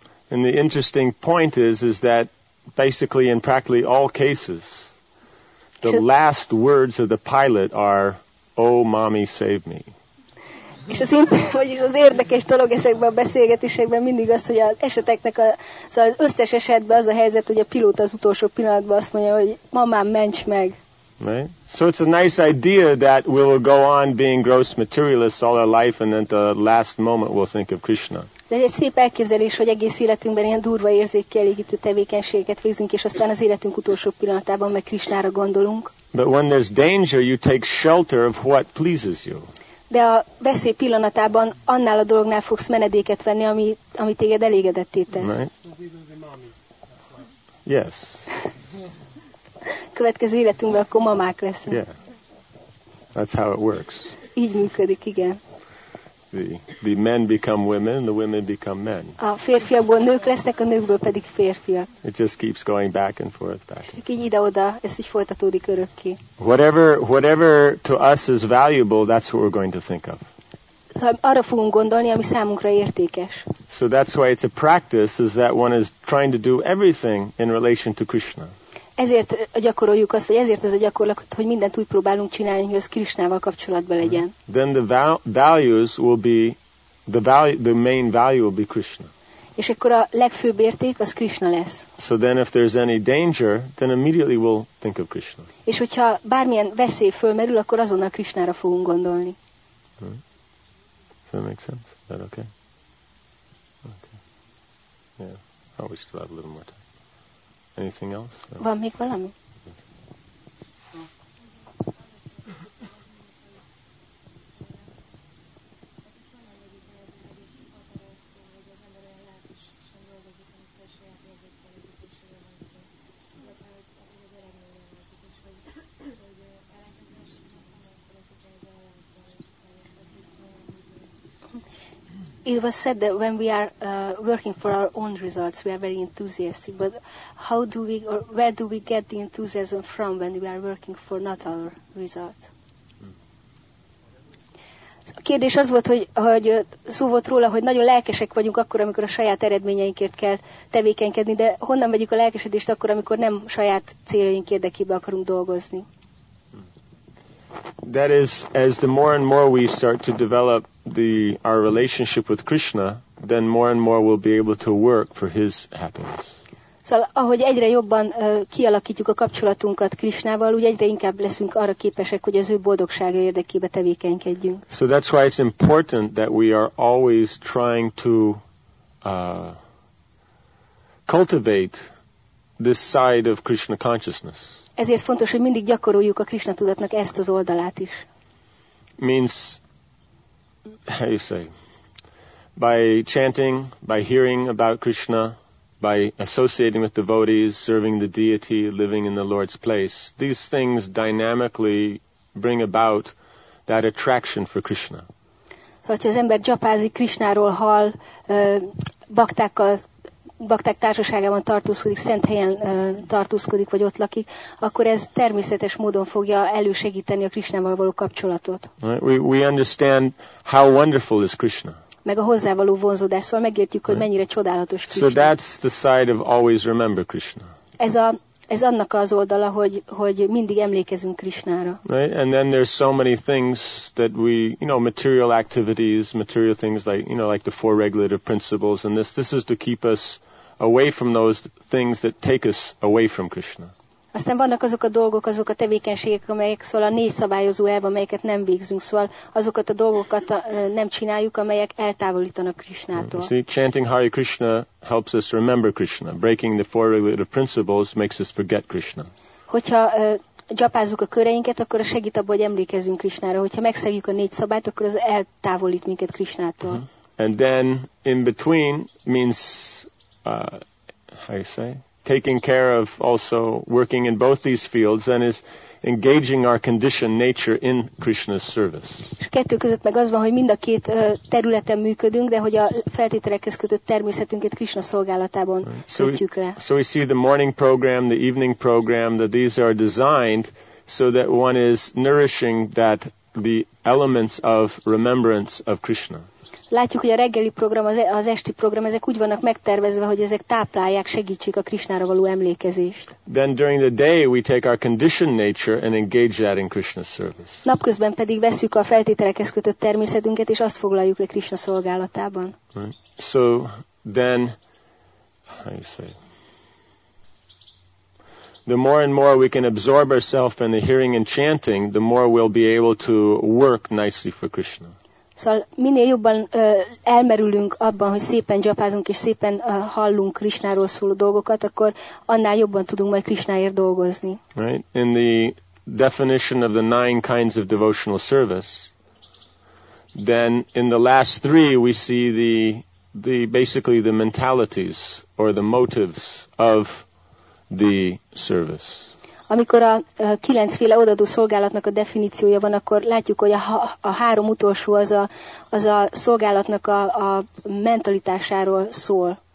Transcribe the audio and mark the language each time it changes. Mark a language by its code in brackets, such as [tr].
[en] And the interesting point is that basically in practically all cases the last words of the pilot are "Oh, mommy, save me." [hu] És az érdekes dolog ezekben a beszélgetésekben mindig az, hogy az eseteknek, szóval az összes esetben az a helyzet, hogy a pilóta az utolsó pillanatban azt mondja, hogy mamám, ments meg. [en] Right? So it's a nice idea that we will go on being gross materialists all our life, and then the last moment we'll think of Krishna. [hu] De egy szép elképzelés, hogy egész életünkben ilyen durva érzékkielégítő tevékenységeket végzünk, és aztán az életünk utolsó pillanatában meg Krishnára gondolunk. [en] But when there's danger, you take shelter of what pleases you. [hu] De a veszély pillanatában annál a dolognál fogsz menedéket venni, ami téged elégedetté tesz. [en] Right? Yes. [hu] Következő életünkben akkor mamák leszünk. [en] Yeah. That's how it works. [hu] Így működik, igen. [en] The men become women, the women become men. [hu] A férfiakból nők lesznek, a nőkből pedig férfiak. [en] It just keeps going back and forth, back and forth. [hu] Így ide-oda, ez így folytatódik örökké. [en] Whatever to us is valuable, that's what we're going to think of. [hu] Arra fogunk gondolni, ami számunkra értékes. [en] So that's why it's a practice, is that one is trying to do everything in relation to Krishna. [hu] Ezért gyakoroljuk azt, vagy ezért az a gyakorlat, hogy mindent úgy próbálunk csinálni, hogy az Krisnával kapcsolatban legyen. [en] Then the values will be the main value will be Krishna. [hu] És akkor a legfőbb érték az Krishna lesz. [en] So then if there's any danger, then immediately we'll think of Krishna. És hogyha bármilyen veszély fölmerül, akkor azonnal Krisnára fogunk gondolni. Does that make sense? Is that okay? Okay. Yeah. Oh, we still have a little more time. Anything else? [hu] No. Van még valami? [en] It was said that when we are working for our own results, we are very enthusiastic. But how do we, or where do we get the enthusiasm from when we are working for not our results? [hu] A kérdés az volt, hogy szó volt róla, hogy nagyon lelkesek vagyunk akkor, amikor a saját eredményeinkért kell tevékenykedni, de honnan vegyük a lelkesedést akkor, amikor nem saját céljaink érdekében akarunk dolgozni? [en] That is, as the more and more we start to develop our relationship with Krishna, then more and more we'll be able to work for his happiness. [hu] Szóval, ahogy egyre jobban kialakítjuk a kapcsolatunkat Krishnával, úgy egyre inkább leszünk arra képesek, hogy az ő boldogsága érdekében tevékenykedjünk. [en] So that's why it's important that we are always trying to cultivate this side of Krishna consciousness. [hu] Ezért fontos, hogy mindig gyakoroljuk a Krishna tudatnak ezt az oldalát is. [en] Means, how you say, by chanting, by hearing about Krishna, by associating with devotees, serving the deity, living in the Lord's place, these things dynamically bring about that attraction for Krishna. [hu] Tehát, ha az ember japázik Krishnáról hall, bakták társaságában tartózkodik, szent helyen tartózkodik, vagy ott lakik, akkor ez természetes módon fogja elősegíteni a Krishnával való kapcsolatot. [en] Right? We understand how wonderful is Krishna. [hu] Meg a hozzávaló vonzódás, szóval megértjük, hogy mennyire csodálatos Krishna. [en] So that's the side of always remember Krishna. [hu] Ez annak az oldala, hogy mindig emlékezünk Krishnára. [en] Right? And then there's so many things that we, you know, material activities, material things like, you know, like the four regulative principles and this is to keep us away from those things that take us away from Krishna. [hu] Aztán vannak azok a dolgok, azok a tevékenységek, amelyek, szóval a négy szabályozó elv, amelyeket nem végzünk, szóval azokat a dolgokat nem csináljuk, amelyek eltávolítanak Krishnától. [en] See, chanting Hare Krishna helps us remember Krishna. Breaking the four regulative principles makes us forget Krishna. [hu] Hogyha japázzuk a köreinket, akkor a segít abban, hogy emlékezünk Krishnára. Hogyha megszegjük a négy szabályt, akkor az eltávolít minket Krishnától. Uh-huh. [en] And then in between means, how you say? Taking care of also working in both these fields and is engaging our conditioned nature in Krishna's service. [hu] És kettő között meg az van, hogy mind a két területen működünk, de hogy a feltételekhez kötött természetünket Krishna szolgálatában kötjük le. [en] So we see the morning program, the evening program, that these are designed so that one is nourishing that the elements of remembrance of Krishna. [hu] Látjuk, hogy a reggeli program, az esti program, ezek úgy vannak megtervezve, hogy ezek táplálják, segítsék a Krishnára való emlékezést. [en] Then during the day we take our conditioned nature and engage that in Krishna's service. [hu] Napközben pedig veszük a feltételekhez kötött természetünket, és azt foglaljuk le Krishna szolgálatában. [en] Right. So then, how you say, the more and more we can absorb ourselves in the hearing and chanting, the more we'll be able to work nicely for Krishna. [hu] Szóval minél jobban elmerülünk abban, hogy szépen japázunk és szépen hallunk Krishnáról szóló dolgokat, akkor annál jobban tudunk majd Krishnáért dolgozni. [en] Right. In the definition of the nine kinds of devotional service, then in the last three we see the basically the mentalities or the motives of the service. [hu] Amikor a kilencféle odaadó szolgálatnak a definíciója van, akkor látjuk, hogy a három utolsó az a szolgálatnak a mentalitásáról szól,